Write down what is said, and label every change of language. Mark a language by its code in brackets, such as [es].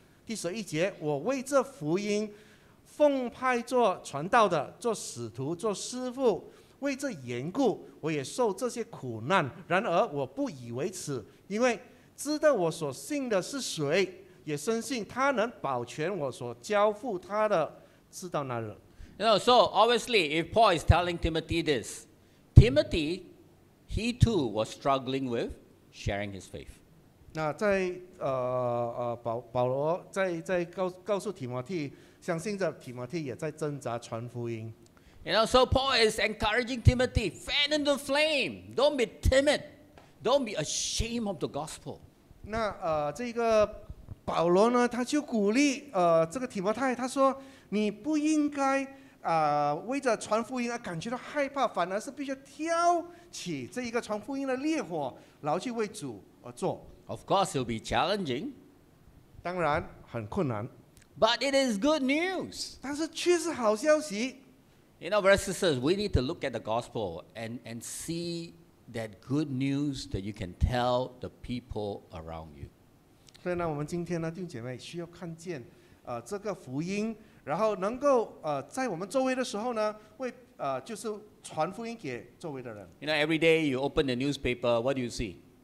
[zh] 第十一节，我为这福音奉派做传道的，做使徒，做师父，为这缘故，我也受这些苦难。然而我不以为耻，因为知道我所信的是谁，也深信他能保全我所交付他的，知道那人。 [en] You know, so obviously, if Paul is telling Timothy this, Timothy, he too was struggling with sharing his faith. [zh] 那在保罗在告诉提摩太，相信着提摩太也在挣扎传福音。 [en] You know, so Paul is encouraging Timothy, fan in the flame, don't be timid. Don't be ashamed of the gospel. [zh] 那这个保罗呢，他就鼓励这个提摩太，他说你不应该为着传福音而感觉到害怕，反而是必须挑起这一个传福音的烈火，然后去为主而做。 [en] Of course, it'll be challenging. [zh] 当然很困难。 [en] But it is good news. [zh] 但是却是好消息。 [en] You know, brothers and sisters, we need to look at the gospel and see. That good news that you can tell the people around you. [zh] 所以呢，我们今天呢，弟兄姐妹需要看见，这个福音，然后能够在我们周围的时候呢，为就是传福音给周围的人。 [en] You know, every day you open the newspaper, what do you see?